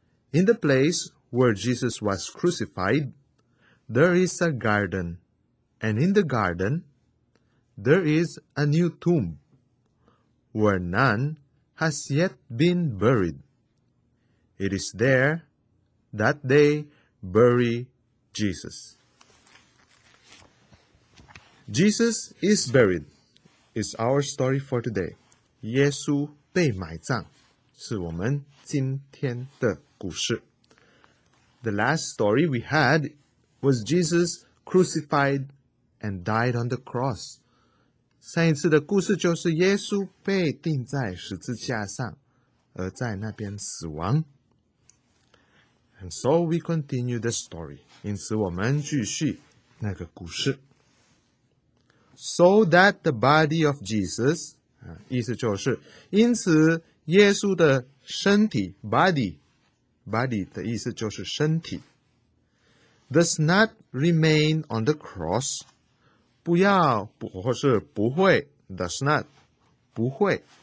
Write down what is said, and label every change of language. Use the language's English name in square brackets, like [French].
[English] In the place where Jesus was crucified, there is a garden, and in the garden, there is a new tomb, where none has yet been buried. It is there that they bury Jesus. Jesus is buried is our story for today. [Chinese] 耶稣被埋葬是我们今天的故事。 [English] The last story we had was Jesus crucified and died on the cross. [Chinese] 上一次的故事就是耶稣被钉在十字架上而在那边死亡。 [English] And so we continue the story. [Chinese] 因此我们继续那个故事。 [English] So that the body of Jesus, [Chinese] 意思就是因此耶稣的身体 [English] body [Chinese] 的意思就是身体 [English] does not remain on the cross, [Chinese] 不要或是不会 [English] does not, [Chinese] 不会